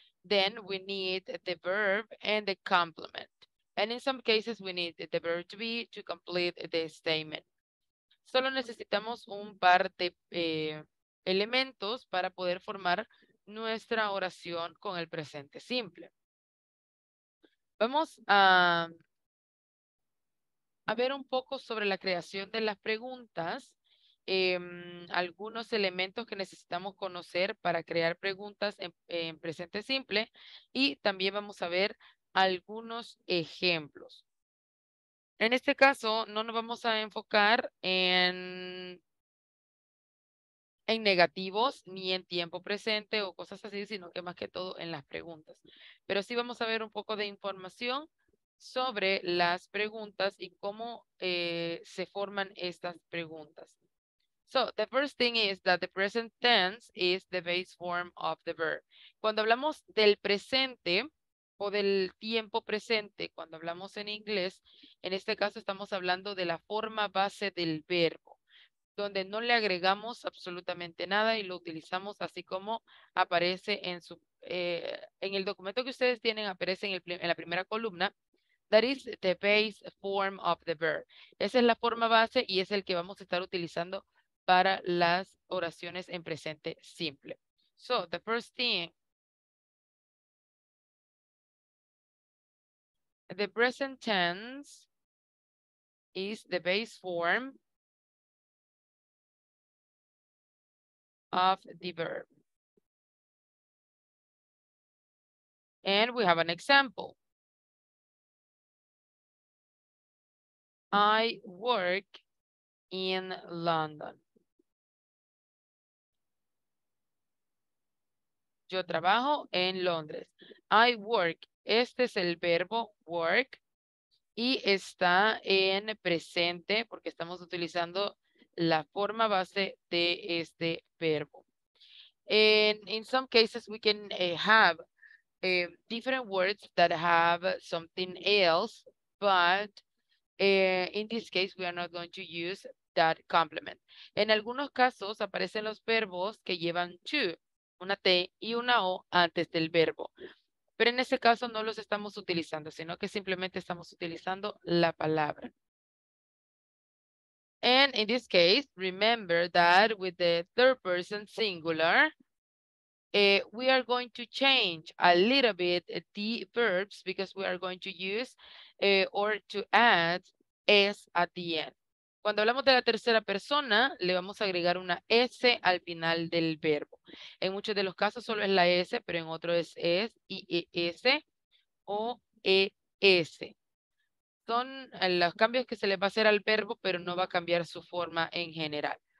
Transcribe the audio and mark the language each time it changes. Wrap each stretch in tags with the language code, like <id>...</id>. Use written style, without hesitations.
<en>Then we need the verb and the complement. And in some cases, we need the verb to be to complete the statement.</en> <es>Solo necesitamos un par de elementos para poder formar nuestra oración con el presente simple. Vamos a ver un poco sobre la creación de las preguntas. Algunos elementos que necesitamos conocer para crear preguntas en presente simple y también vamos a ver algunos ejemplos. En este caso, no nos vamos a enfocar en negativos ni en tiempo presente o cosas así, sino que más que todo en las preguntas. Pero sí vamos a ver un poco de información sobre las preguntas y cómo se forman estas preguntas.</es> <en>So the first thing is that the present tense is the base form of the verb.</en> <es>Cuando hablamos del presente o del tiempo presente, cuando hablamos en inglés, en este caso estamos hablando de la forma base del verbo, donde no le agregamos absolutamente nada y lo utilizamos así como aparece en su en el documento que ustedes tienen, aparece en la primera columna.</es> <en>That is the base form of the verb.</en> <es>Esa es la forma base y es el que vamos a estar utilizando para las oraciones en presente simple.</es> <en>So, the first thing. The present tense is the base form of the verb. And we have an example. I work in London.</en> <es>Yo trabajo en Londres.</es> <en>I work.</en> <es>Este es el verbo work y está en presente porque estamos utilizando la forma base de este verbo.</es> <en>And in some cases, we can have different words that have something else, but in this case, we are not going to use that complement.</en> <es>En algunos casos, aparecen los verbos que llevan to, una T y una O antes del verbo. Pero en este caso no los estamos utilizando, sino que simplemente estamos utilizando la palabra.</es> <en>And in this case, remember that with the third person singular, we are going to change a little bit the verbs because we are going to use or to add S at the end.</en> <es>Cuando hablamos de la tercera persona, le vamos a agregar una S al final del verbo. En muchos de los casos solo es la S, pero en otros es S, I-E-S o E-S. Son los cambios que se le va a hacer al verbo, pero no va a cambiar su forma en general.</es>